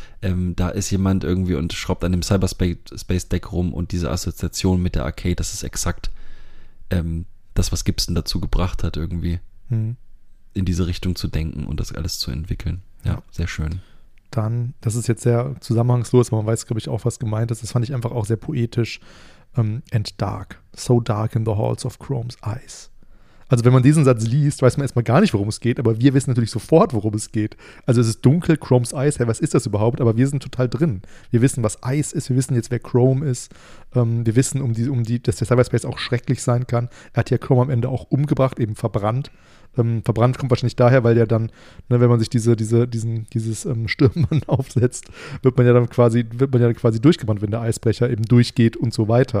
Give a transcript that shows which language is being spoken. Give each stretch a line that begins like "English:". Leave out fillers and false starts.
German: Da ist jemand irgendwie und schraubt an dem Cyberspace-Deck rum und diese Assoziation mit der Arcade, das ist exakt das, was Gibson dazu gebracht hat, irgendwie in diese Richtung zu denken und das alles zu entwickeln. Ja, sehr schön. Dann, das ist jetzt sehr zusammenhangslos, aber man weiß, glaube ich, auch, was gemeint ist. Das fand ich einfach auch sehr poetisch.
English: And dark, so dark in the halls of Chrome's eyes.
German: Also wenn man diesen Satz liest, weiß man erstmal gar nicht, worum es geht, aber wir wissen natürlich sofort, worum es geht. Also es ist dunkel, Chrome's eyes, hey, was ist das überhaupt? Aber wir sind total drin. Wir wissen, was Eis ist, wir wissen jetzt, wer Chrome ist. Wir wissen, dass der Cyberspace auch schrecklich sein kann. Er hat ja Chrome am Ende auch umgebracht, eben verbrannt. Verbrannt kommt wahrscheinlich daher, weil ja dann, ne, wenn man sich dieses Stirnband aufsetzt, wird man ja dann quasi durchgebrannt, wenn der Eisbrecher eben durchgeht und so weiter.